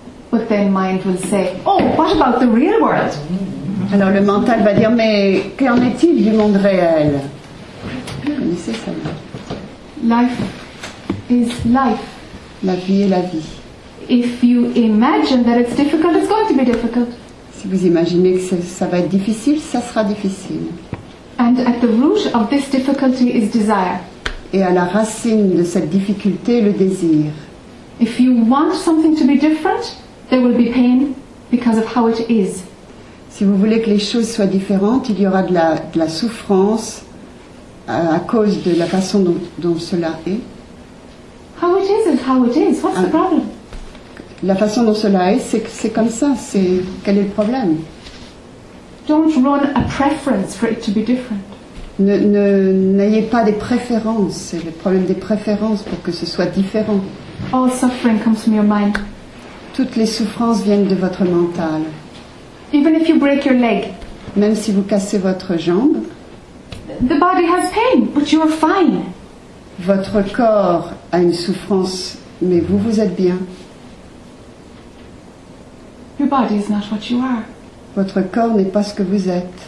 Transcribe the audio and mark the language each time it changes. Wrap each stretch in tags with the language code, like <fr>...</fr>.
<en>But then mind will say, oh, what about the real world?</en> <fr>Alors le mental va dire, mais qu'en est-il du monde réel?</fr> <en>Life is life.</en> <fr>La vie est la vie.</fr> <en>If you imagine that it's difficult, it's going to be difficult.</en> <fr>Si vous imaginez que ça va être difficile, ça sera difficile.</fr> <en>And at the root of this difficulty is desire.</en> <fr>Et à la racine de cette difficulté, le désir.</fr> <en>If you want something to be different, there will be pain because of how it is.</en> <fr>Si vous voulez que les choses soient différentes, il y aura de la souffrance à cause de la façon dont cela est.</fr> <en>How it is and how it is. What's the problem?</en> <fr>La façon dont cela est, c'est comme ça. C'est quel est le problème?</fr> <en>Don't run a preference for it to be different.</en> <fr>N'ayez pas des préférences. C'est le problème des préférences pour que ce soit différent.</fr> <en>All suffering comes from your mind.</en> <fr>Toutes les souffrances viennent de votre mental.</fr> <en>Even if you break your leg.</en> <fr>Même si vous cassez votre jambe.</fr> <en>The body has pain, but you are fine.</en> <fr>Votre corps a une souffrance, mais vous, vous êtes bien.</fr> <en>Your body is not what you are.</en> <fr>Votre corps n'est pas ce que vous êtes.</fr>